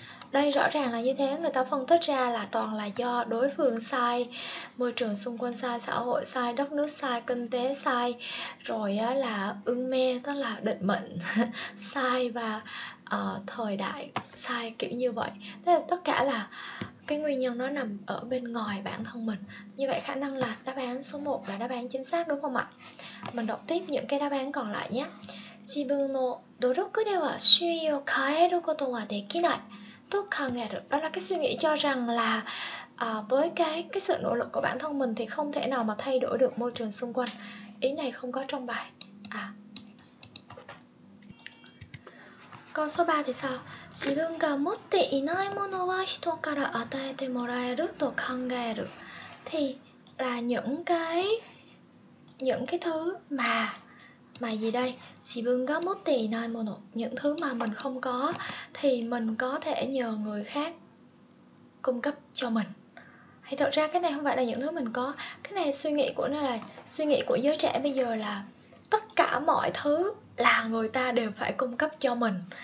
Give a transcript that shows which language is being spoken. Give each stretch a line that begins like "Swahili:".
Vietnamese: Đây rõ ràng là như thế, người ta phân tích ra là toàn là do đối phương sai, môi trường xung quanh sai, xã hội sai, đất nước sai, kinh tế sai, rồi là ưng mê, tức là định mệnh sai, và thời đại sai, kiểu như vậy. Thế là tất cả là cái nguyên nhân nó nằm ở bên ngoài bản thân mình. Như vậy khả năng là đáp án số 1 là đáp án chính xác đúng không ạ? Mình đọc tiếp những cái đáp án còn lại nhé.
Japanese: 自分の努力では周囲を変えることはできない と考える。
Vietnamese: Đó là cái suy nghĩ cho rằng là với cái sự nỗ lực của bản thân mình thì không thể nào mà thay đổi được môi trường xung quanh. Ý này không có trong bài. Câu số 3 thì sao?
Japanese: 自分が持っていないものは人から与えてもらえると考える。
Vietnamese: Thì là những cái thứ mà gì đây?
Japanese: 自分が持っていないもの,
Vietnamese: những thứ mà mình không có thì mình có thể nhờ người khác cung cấp cho mình. Thì thật ra cái này không phải là những thứ mình có. Cái này suy nghĩ của nó là suy nghĩ của giới trẻ bây giờ là tất cả mọi thứ là người ta đều phải cung cấp cho mình.